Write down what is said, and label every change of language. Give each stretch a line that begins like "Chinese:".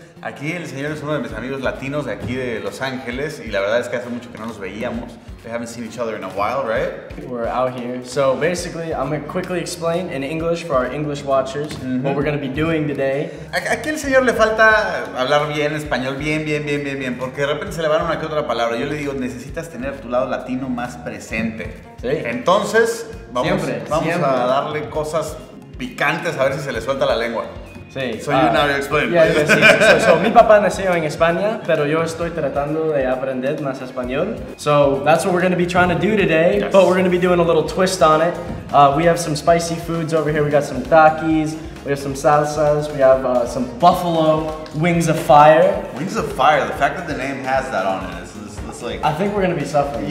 Spanish: Aquí el señor es uno de mis amigos latinos de aquí de Los Ángeles, y la verdad es que hace mucho que no nos veíamos.
English: We haven't seen each other in a while, right? We're out here. So basically, I'm going to quickly explain in English for our English watchers what we're going to be doing today.
Spanish: Aquí el señor le falta hablar bien español, bien, porque de repente se le van una que otra palabra. Yo le digo, necesitas tener tu lado latino más presente. Sí. Entonces, vamos a darle cosas picantes a ver si se le suelta la lengua. Sí.
English: So you now explain. Yeah, yeah, sí.
Spanish: So mi papá nació en España, pero yo estoy tratando de aprender más español.
English: So that's what we're going to be trying to do today, yes. But we're going to be doing a little twist on it. We have some spicy foods over here. We got some takis, we have some salsas, we have some buffalo wings of fire. Wings of fire, the fact that the name has that on it is like, I think we're gonna be suffering.